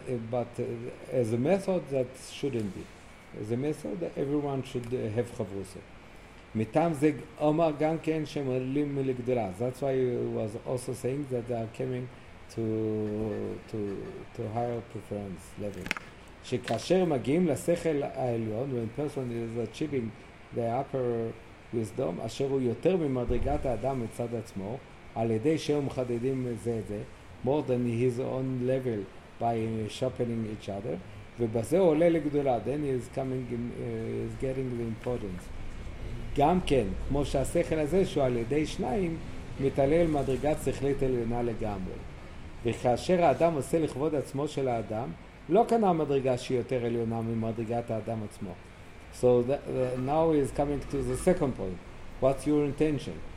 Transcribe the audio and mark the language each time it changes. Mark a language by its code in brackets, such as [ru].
[en] But as a method, that shouldn't be. As a method, everyone should have chavrusa. [he] מטעם זה אומר גם כן שהם עולים לגדולה. [en] That's why he was also saying that they are coming to higher preference level. [he] שכאשר מגיעים לשכל העליון, [en] when person is achieving the upper wisdom, [he] אשר הוא יותר ממדרגת האדם מצד עצמו, על ידי שהם מחדדים זה את זה, [en] more than his own level by sharpening each other, [he] ובזה הוא עולה לגדולה, [en] then he is coming in, is getting the importance. [he] גם כן, כמו שהשכל הזה, שהוא על ידי שניים, מתעלה אל מדרגת שכלית עליונה לגמרי. וכאשר האדם עושה לכבוד עצמו של האדם, לא קנה מדרגה שהיא יותר עליונה ממדרגת האדם עצמו. [en] So now he is coming to the second point. What's your intention?